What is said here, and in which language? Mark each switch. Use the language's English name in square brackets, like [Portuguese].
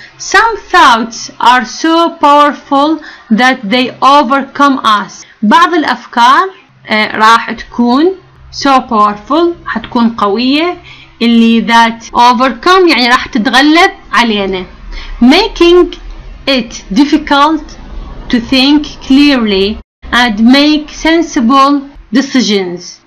[English] Some thoughts are so powerful that they overcome us. [Arabic] بعض الأفكار راح تكون [English] so powerful [Arabic] حتكون قوية اللي [English] that overcome [Arabic] يعني راح تتغلب علينا. [English] Making it difficult to think clearly and make sensible decisions.